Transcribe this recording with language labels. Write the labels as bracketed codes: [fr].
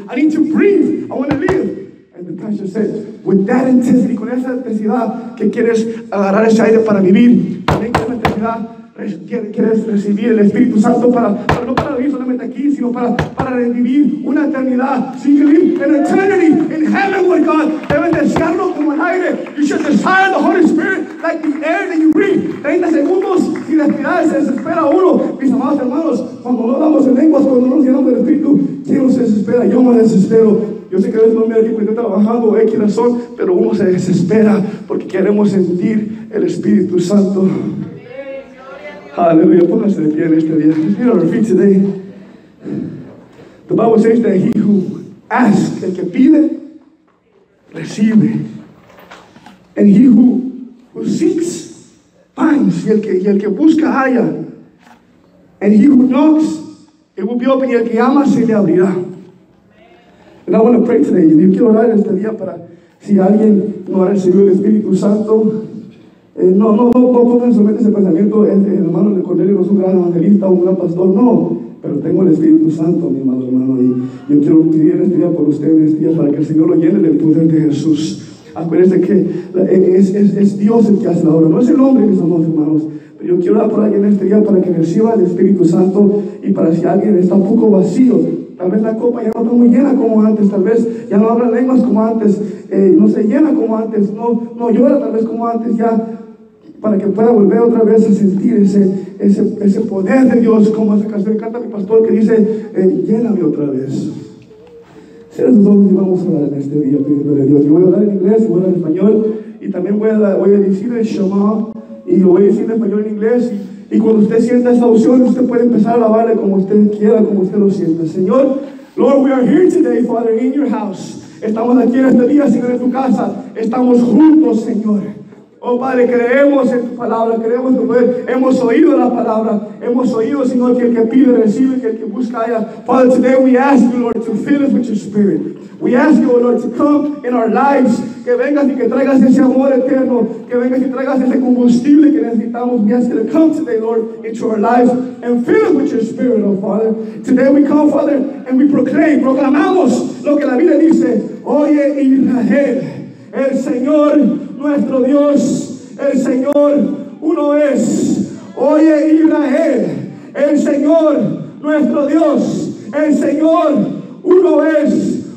[en] I need to breathe. I want to live. And the pastor said, with that intensity, [es] con esa intensidad que quieres agarrar ese aire para vivir, con esa intensidad quieres recibir el Espíritu Santo para no para vivir solamente aquí, sino para vivir una eternidad. [en] So you can live an eternity in heaven with God. [es] Deben desearlo como el aire. [en] You should desire the Holy Spirit like the air that you breathe. [es] 30 segundos sin respirar, se desespera uno. Mis amados hermanos, cuando no hablamos en lenguas, cuando no nos llenamos del Espíritu, ¿quién nos desespera? Yo me desespero. Yo sé que a veces no me da tiempo de estar trabajando, hay que razón, pero uno se desespera porque queremos sentir el Espíritu Santo. Hallelujah, póngase de pie en este día. [en] Let's get on our feet today. The Bible says that he who asks, [es] el que pide, recibe. [en] And he who seeks, finds. [es] Y el que busca, haya. [en] And he who knocks, it will be open. [es] Y el que ama, se le abrirá. [en] And I want to pray today. [es] Yo quiero orar este día para si alguien no ha recibido el Espíritu Santo. No pongan solamente ese pensamiento, el hermano de Cornelio no es un gran evangelista, un gran pastor, no, pero tengo el Espíritu Santo, mi amado hermano, y yo quiero pedir este día por ustedes, este día, para que el Señor lo llene del poder de Jesús. Acuérdense que es Dios el que hace la obra, no es el hombre, mis amados hermanos, pero yo quiero orar por alguien este día para que reciba el Espíritu Santo y para si alguien está un poco vacío. Tal vez la copa ya no está muy llena como antes, tal vez ya no habla lenguas como antes, no se llena como antes, no llora tal vez como antes ya, para que pueda volver otra vez a sentir ese poder de Dios, como esa canción canta mi pastor que dice, lléname otra vez. Seres humanos, y vamos a orar en este día, pidiéndole a Dios. Yo voy a orar en inglés, voy a orar en español, y también voy a decir el Shema, y lo voy a decir en español y en inglés, y cuando usted sienta esa opción, usted puede empezar a alabarle como usted quiera, como usted lo sienta. Señor, [en] Lord, we are here today, Father, in your house. [es] Estamos aquí en este día, Señor, en tu casa. Estamos juntos, Señor. Oh, Padre, creemos en tu palabra, creemos en tu poder. Hemos oído la palabra. Hemos oído, Señor, que el que pide, recibe, que el que busca, haya. [en] Father, today we ask you, Lord, to fill us with your spirit. We ask you, Lord, to come in our lives. [es] Que vengas y que traigas ese amor eterno. Que vengas y traigas ese combustible que necesitamos. [en] We ask you to come today, Lord, into our lives and fill us with your spirit, oh, Father. Today we come, Father, and we proclaim, [es] proclamamos lo que la Biblia dice. Oye, Israel, el Señor nuestro Dios, el Señor uno es. Oye, Israel, el Señor nuestro Dios, el Señor uno es.